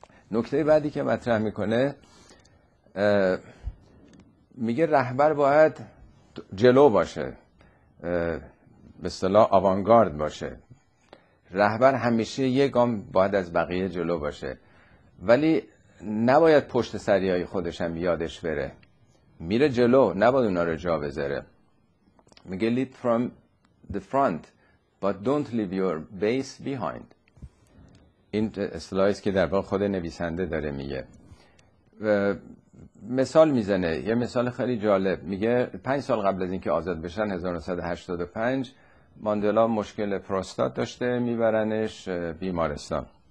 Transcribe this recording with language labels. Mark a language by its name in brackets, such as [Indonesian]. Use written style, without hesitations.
[Persian] نکته بعدی که مطرح میکنه، میگه رهبر باید جلو باشه، به اصطلاح آوانگارد باشه، رهبر همیشه یه گام باید از بقیه جلو باشه، ولی نباید پشت سریای خودش هم یادش بره، میره جلو، نباید اونا رو جا بذاره. میگه [English] lead from the front but don't leave your base behind. [Persian] این اصطلاحی است که در واقع خود نویسنده داره میگه. مثال میزنه، یه مثال خیلی جالب، میگه 5 سال قبل از اینکه آزاد بشن 1985 ماندلا مشکل پروستات داشته، میبرنش بیمارستان.